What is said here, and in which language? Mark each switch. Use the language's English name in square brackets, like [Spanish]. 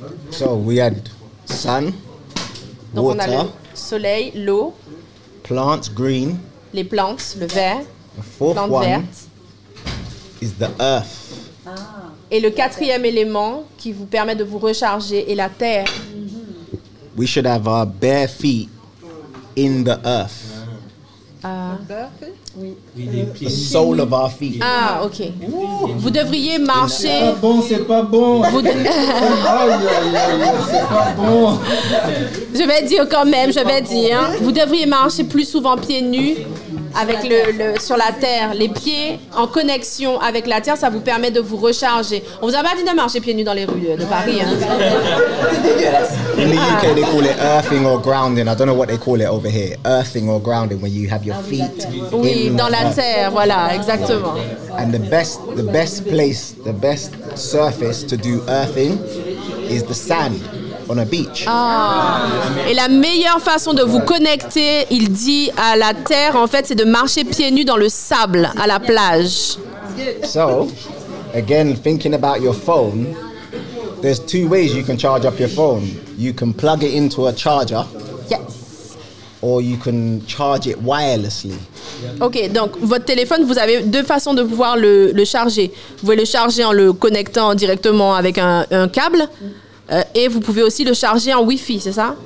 [English] So, we had sun. [French] Donc [English] water, [French] on a le soleil, l'eau, [English] plants, green, [French] les plantes, le vert, [English] the fourth [French] plantes [English] one [French] vertes, [English] is the earth. Ah. [French] Et le quatrième élément qui vous permet de vous recharger est la terre. Mm-hmm. [English] We should have our bare feet in the earth. [French] Oui. [English] The sole of our feet. [French] Ah, ok. Ooh. Vous devriez marcher. C'est pas bon, c'est pas bon. C'est pas bon. Je vais dire quand même, je vais dire. Vous devriez marcher plus souvent pieds nus avec sur la terre. Les pieds en connexion avec la terre, ça vous permet de vous recharger. On ne vous a pas dit de marcher pieds nus dans les rues de Paris. Hein. [English] In the UK, they call it earthing or grounding. I don't know what they call it over here. Earthing or grounding, when you have your feet [French] oui, dans la terre, voilà, exactement. [English] And the best place, the best surface to do earthing is the sand on a beach. Ah. [French] Et la meilleure façon de vous connecter, il dit, à la terre, en fait, c'est de marcher pieds nus dans le sable, à la plage. [English] So, again, thinking about your phone, there's two ways you can charge up your phone. You can plug it into a charger. Yes. or you can charge it wirelessly. [French] Ok, donc votre téléphone, vous avez deux façons de pouvoir le charger. Vous pouvez le charger en le connectant directement avec un câble, et vous pouvez aussi le charger en Wi-Fi, c'est ça?